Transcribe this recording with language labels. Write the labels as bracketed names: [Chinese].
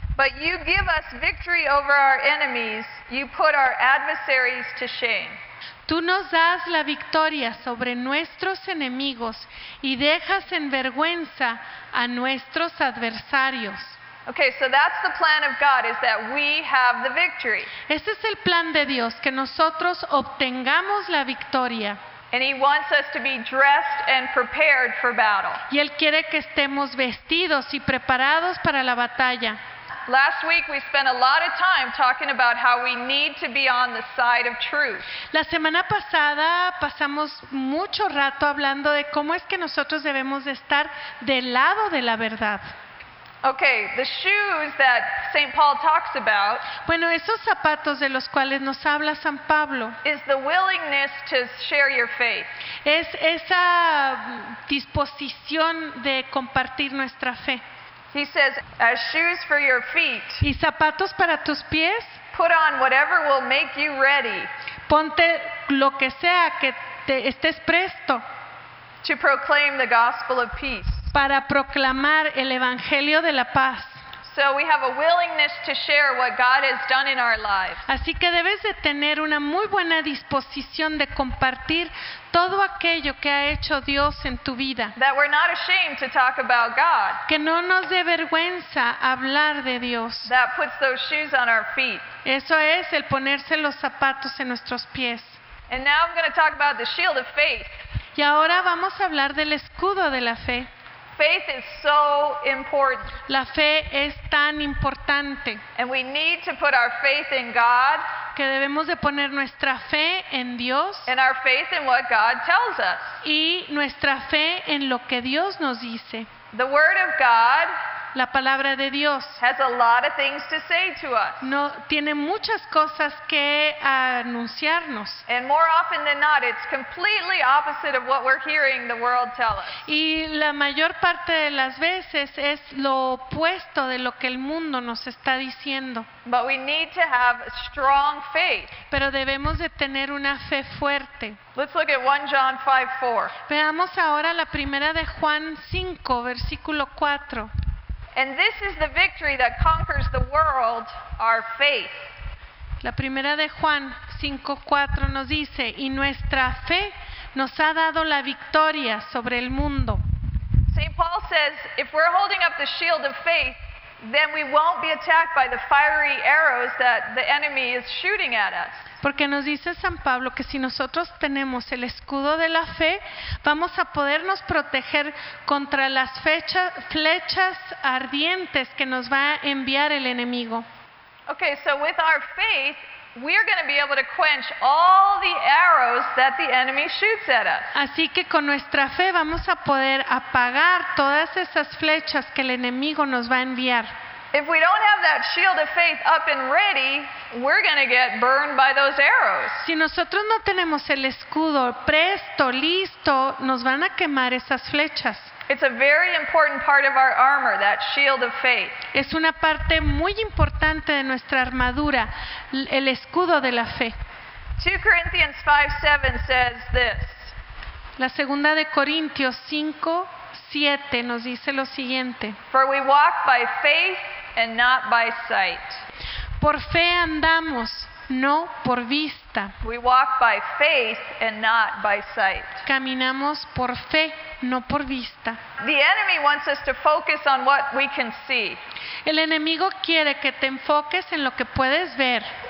[English] But you give us victory over our enemies, you put our adversaries to shame. [Spanish] Tú nos das la victoria sobre nuestros enemigos y dejas en vergüenza a nuestros adversarios. [English] Okay, so that's the plan of God, is that we have the victory. [Spanish] Ese es el plan de Dios, que nosotros obtengamos la victoria. [English] And he wants us to be dressed and prepared for battle. [Spanish] Y él quiere que estemos vestidos y preparados para la batalla. [English] Last week we spent a lot of time talking about how we need to be on the side of truth. [Spanish] La semana pasada pasamos mucho rato hablando de cómo es que nosotros debemos de estar del lado de la verdad. [English] Okay, the shoes that St. Paul talks about. [Spanish] Bueno, esos zapatos de los cuales nos habla San Pablo. [English] Is the willingness to share your faith. [Spanish] Es esa disposición de compartir nuestra fe. [English] He says, as shoes for your feet. [Spanish] Y zapatos para tus pies. [English] Put on whatever will make you ready. [Spanish] Ponte lo que sea que te estés presto. [English] To proclaim the gospel of peace. [Spanish] Para proclamar el evangelio de la paz. [English] So we have a willingness to share what God has done in our lives. [Spanish] Así que debes de tener una muy buena disposición de compartir todo aquello que ha hecho Dios en tu vida. [English] That we're not ashamed to talk about God. [Spanish] Que no nos dé vergüenza hablar de Dios. [English] That puts those shoes on our feet. [Spanish] Eso es el ponerse los zapatos en nuestros pies. [English] And now I'm going to talk about the shield of faith. [Spanish] Y ahora vamos a hablar del escudo de la fe. [English] Faith is so important. [Spanish] La fe es tan importante. [English] And we need to put our faith in God. [Spanish] Que debemos de poner nuestra fe en Dios. [English] And our faith in what God tells us. [Spanish] Y nuestra fe en lo que Dios nos dice. [English] The Word of God. [Spanish] La palabra de Dios. [English] Has a lot of things to say to us. [Spanish] No, tiene muchas cosas que anunciarnos. [English] And more often than not, it's completely opposite of what we're hearing the world tell us. [Spanish] Y la mayor parte de las veces es lo opuesto de lo que el mundo nos está diciendo. [English] But we need to have strong faith. [Spanish] Pero debemos de tener una fe fuerte. [English] Let's look at 1 John 5:4. [Spanish] Veamos ahora la primera de Juan 5, versículo 4. [English] And this is the victory that conquers the world, our faith. [Spanish] La primera de Juan 5:4 nos dice, y nuestra fe nos ha dado la victoria sobre el mundo. [English] St. Paul says, if we're holding up the shield of faith, then we won't be attacked by the fiery arrows that the enemy is shooting at us. [Spanish] Porque nos dice San Pablo que si nosotros tenemos el escudo de la fe, vamos a podernos proteger contra las flechas ardientes que nos va a enviar el enemigo. [English] Okay, so with our faith, we are going to be able to quench all the arrows that the enemy shoots at us. [Spanish] Así que con nuestra fe vamos a poder apagar todas esas flechas que el enemigo nos va a enviar. [English] If we don't have that shield of faith up and ready, we're going to get burned by those arrows. [Spanish] Si nosotros no tenemos el escudo presto, listo, nos van a quemar esas flechas. [English] It's a very important part of our armor, that shield of faith. [Spanish] Es una parte muy importante de nuestra armadura, el escudo de la fe. [English] 2 Corinthians 5:7 says this. [Spanish] La segunda de Corintios 5 7 nos dice lo siguiente. [English] For we walk by faith and not by sight. [Spanish] Por fe andamos, no por vista. [English] We walk by faith and not by sight. [Spanish] Caminamos por fe, no por vista. [English] The enemy wants us to focus on what we can see. [Spanish] El enemigo quiere que te enfoques en lo que puedes ver.